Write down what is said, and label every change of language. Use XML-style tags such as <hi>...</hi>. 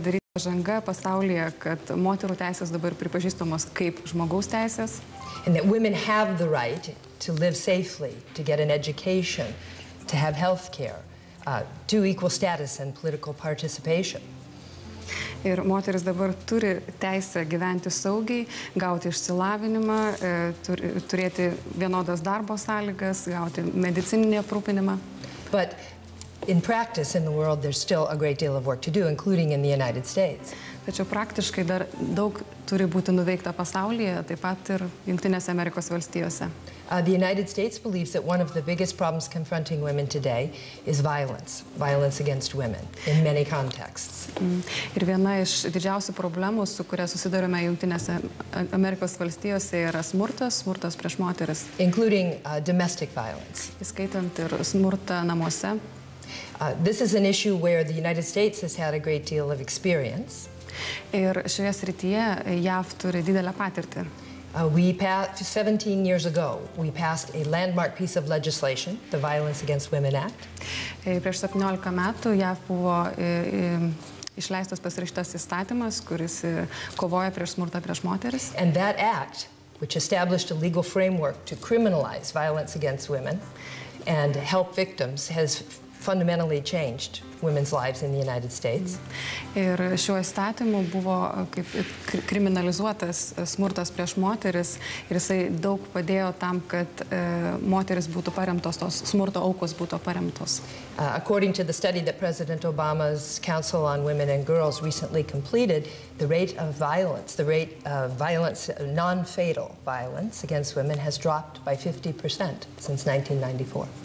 <lt>Pažanga pasaulyje, kad moterų teisės dabar pripažįstamos kaip žmogaus teisės.</lt> <en>And that women have the right to live safely, to get an education, to have health care, to equal status and political participation.</en> <lt>Ir moteris dabar turi teisę gyventi saugiai, gauti išsilavinimą, turėti vienodas darbo sąlygas, gauti medicininį aprūpinimą.</lt> <en>But in practice, in the world, there's still a great deal of work to do, including in the United States.</en> <lt>Tačiau praktiškai dar daug turi būti nuveikta pasaulyje, taip pat ir Jungtinėse Amerikos valstijose.</lt> <en>The United States believes that one of the biggest problems confronting women today is violence, violence against women in many contexts.</en> <lt>Ir viena iš didžiausių problemų, su kuria susidurime Jungtinėse Amerikos valstijose, yra smurtas, smurtas prieš moteris.</lt> <en>Including domestic violence.</en> <lt>Įskaitant ir smurtą namuose.</lt> <en>This is an issue where the United States has had a great deal of experience.</en> <lt>Ir šioje srityje JAV turi didelę patirtį.</lt> <en>17 years ago, we passed a landmark piece of legislation, the Violence Against Women Act.</en> <lt>Prieš 17 metų JAV buvo išleistas pasirašytas įstatymas, kuris kovoja prieš smurtą prieš moteris.</lt> <en>And that act, which established a legal framework to criminalize violence against women and help victims, has fundamentally changed women's lives in the United States.</en> <lt>Ir šiuo įstatymu buvo kaip kriminalizuotas smurtas prieš moteris, ir jisai daug padėjo tam, kad moteris būtų paremtos, tos smurto aukos būtų paremtos.</lt> <en>According to the study that President Obama's Council on Women and Girls recently completed, the rate of violence, non-fatal violence against women has dropped by 50% since 1994.</en>